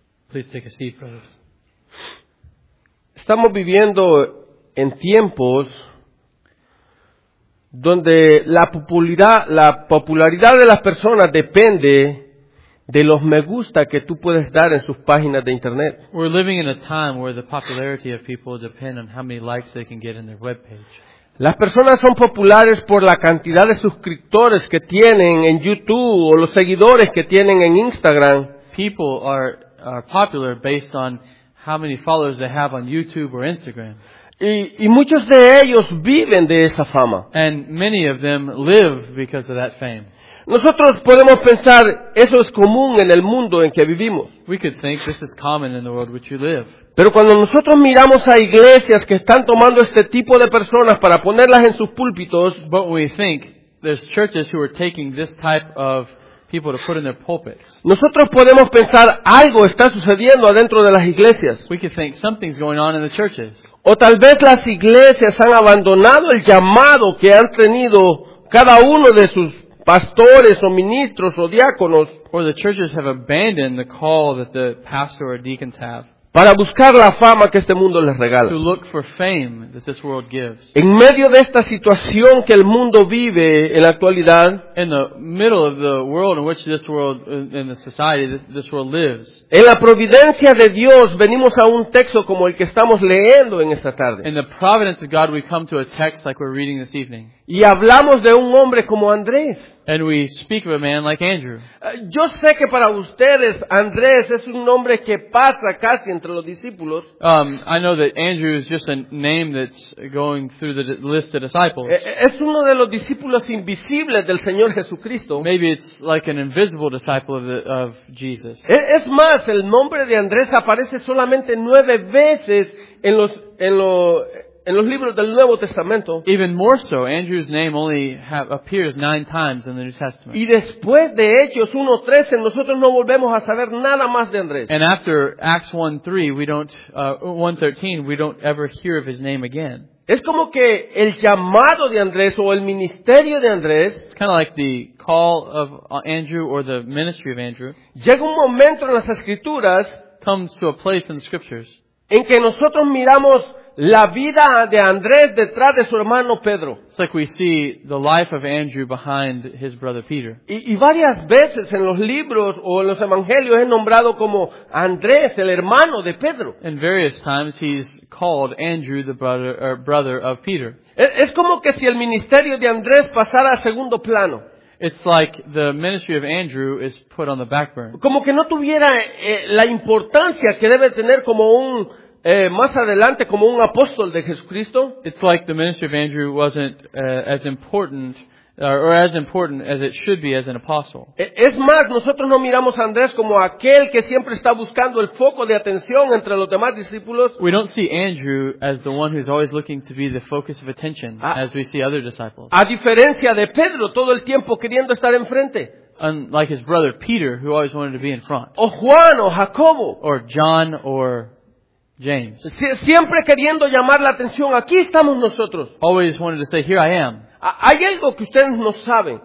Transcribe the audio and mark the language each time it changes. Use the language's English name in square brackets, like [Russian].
[English] Please take a seat, brothers. [Spanish] Estamos viviendo en tiempos donde la popularidad de las personas depende de los me gusta que tú puedes dar en sus páginas de internet. [English] We're living in a time where the popularity of people depends on how many likes they can get in their webpage. [Spanish] Las personas son populares por la cantidad de suscriptores que tienen en YouTube o los seguidores que tienen en Instagram. [English] People are popular based on how many followers they have on YouTube or Instagram. [Spanish] Y muchos de ellos viven de esa fama. [English] And many of them live because of that fame. [Spanish] Nosotros podemos pensar, eso es común en el mundo en que vivimos. [English] We could think this is common in the world which you live. [Spanish] Pero cuando nosotros miramos a iglesias que están tomando este tipo de personas para ponerlas en sus púlpitos, [English] but we think there's churches who are taking this type of people to put in their pulpits. [Spanish] Nosotros podemos pensar algo está sucediendo adentro de las iglesias. [English] We could think something's going on in the churches. [Spanish] O tal vez las iglesias han abandonado el llamado que han tenido cada uno de sus pastores o ministros o diáconos. [English] Or the churches have abandoned the call that the pastor or deacons have. [Spanish] Para buscar la fama que este mundo les regala. [English] To look for fame that this world gives. [Spanish] En medio de esta situación que el mundo vive en la actualidad, [English] in the middle of the world in which this world, in the society this world lives, [Spanish] en la providencia de Dios venimos a un texto como el que estamos leyendo en esta tarde. [English] In the providence of God we come to a text like we're reading this evening. [Spanish] Y hablamos de un hombre como Andrés. [English] And we speak of a man like Andrew. [Spanish] Yo sé que para ustedes Andrés es un nombre que pasa casi entre los discípulos. [English] I know that Andrew is just a name that's going through the list of disciples. [Spanish] Es uno de los discípulos invisibles del Señor Jesucristo. [English] Maybe it's like an invisible disciple of Jesus. [Spanish] Es más, el nombre de Andrés aparece solamente 9 veces en los libros del Nuevo Testamento. [English] Even more so, Andrew's name only appears 9 times in the New Testament. [Spanish] Y después de Hechos 1:13, nosotros no volvemos a saber nada más de Andrés. [English] And after Acts 1:3, we don't 1:13, we don't ever hear of his name again. [Spanish] Es como que el llamado de Andrés o el ministerio de Andrés, [English] it's kind of like the call of Andrew or the ministry of Andrew, [Spanish] llega un momento en las Escrituras, [English] comes to a place in the Scriptures, [Spanish] en que nosotros miramos la vida de Andrés detrás de su hermano Pedro. [English] It's like we see the life of Andrew behind his brother Peter. [Spanish] Y varias veces en los libros o en los evangelios es nombrado como Andrés, el hermano de Pedro. [English] And various times he's called Andrew, the brother of Peter. [Spanish] Es como que si el ministerio de Andrés pasara a segundo plano. [English] It's like the ministry of Andrew is put on the back burner. [Spanish] Como que no tuviera la importancia que debe tener como un más adelante como un apóstol de Jesucristo. [English] It's like the ministry of Andrew wasn't as important or as important as it should be as an apostle. [Spanish] Es más, nosotros no miramos a Andrés como aquel que siempre está buscando el foco de atención entre los demás discípulos. [English] We don't see Andrew as the one who's always looking to be the focus of attention as we see other disciples. [Spanish] A diferencia de Pedro, todo el tiempo queriendo estar enfrente. [English] Unlike his brother Peter, who always wanted to be in front. [Spanish] O Juan o Jacobo. [English] Or John or James. [Spanish] Siempre queriendo llamar la atención, aquí estamos nosotros. [English] Always wanted to say, here I am. [Spanish] Hay algo que ustedes no saben.